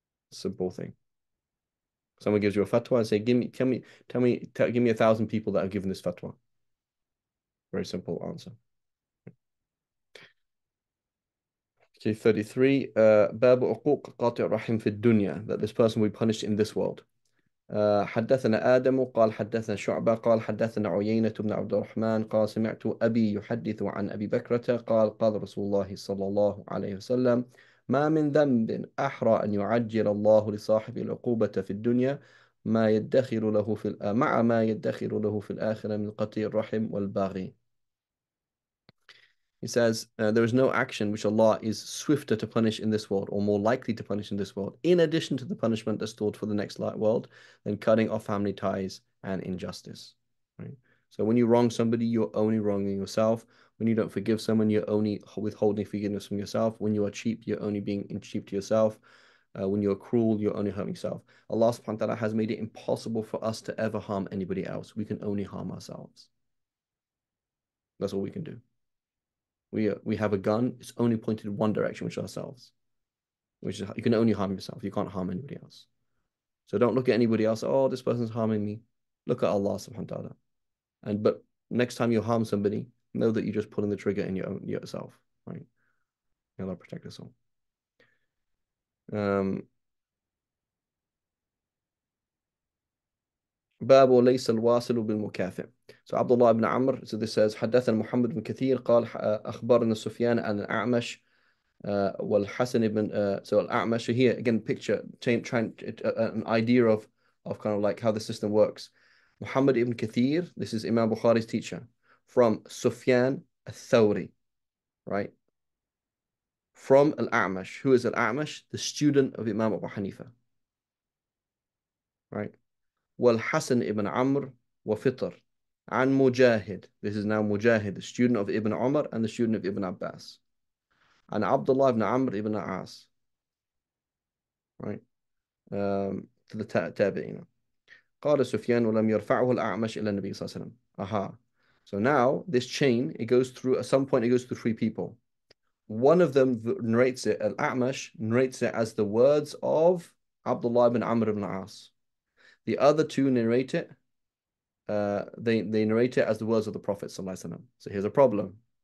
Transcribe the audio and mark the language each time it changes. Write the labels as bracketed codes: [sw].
[en] Simple thing. Someone gives you a fatwa and say, give me 1,000 people that have given this fatwa. Very simple answer. Okay, 33. [ar] Babu uquq qati' rahim fi dunya, [en] that this person will be punished in this world. [ar] حدثنا آدم قال حدثنا شعبة قال حدثنا عيينة بن عبد الرحمن قال سمعت أبي يحدث عن أبي بكرة قال قال رسول الله صلى الله عليه وسلم ما من ذنب أحرى أن يعجل الله لصاحب العقوبة في الدنيا ما يدخر له في مع ما يدخر له في الآخرة من قطيع الرحم والباغي. [en] He says, there is no action which Allah is swifter to punish in this world or more likely to punish in this world, in addition to the punishment that's stored for the next world, than cutting off family ties and injustice. Right? So when you wrong somebody, you're only wronging yourself. When you don't forgive someone, you're only withholding forgiveness from yourself. When you are cheap, you're only being cheap to yourself. When you're cruel, you're only harming yourself. Allah subhanahu wa ta'ala has made it impossible for us to ever harm anybody else. We can only harm ourselves. That's all we can do. We have a gun, it's only pointed one direction, which is ourselves. Which is, you can only harm yourself, you can't harm anybody else. So don't look at anybody else, oh, this person's harming me. Look at Allah subhanahu wa ta'ala. But next time you harm somebody, know that you're just pulling the trigger in yourself, right? May Allah protect us all. [ar] باب وليس الواصل بالمكافئ. [en] So Abdullah ibn Amr, so this says, [ar] حدثنا محمد بن كثير قال أخبرنا سفيان عن الأعمش والحسن ابن [en] so الأعمش, so here again picture an idea of kind of like how the system works. Muhammad ibn Kathir, this is Imam Bukhari's teacher, from Sufyan al-Thawri, right? From al-A'mash. Who is al-A'mash? The student of Imam Abu Hanifa, right? [ar] Wal-Hasan ibn Amr wa Fitr an Mujahid. [en] This is now Mujahid, the student of Ibn Umar and the student of Ibn Abbas. And Abdullah ibn Amr ibn al-As, right? To the Tabi'in. [ar] قال سفيان ولم يرفعه الأعمش إلى النبي صلى الله عليه وسلم. Aha. [en] So now this chain, it goes through, at some point it goes through three people. One of them narrates it, Al-A'mash narrates it as the words of Abdullah ibn Amr ibn al-As. The other two narrate it, they narrate it as the words of the Prophet sallallahu alaihi wasallam. So here's a problem.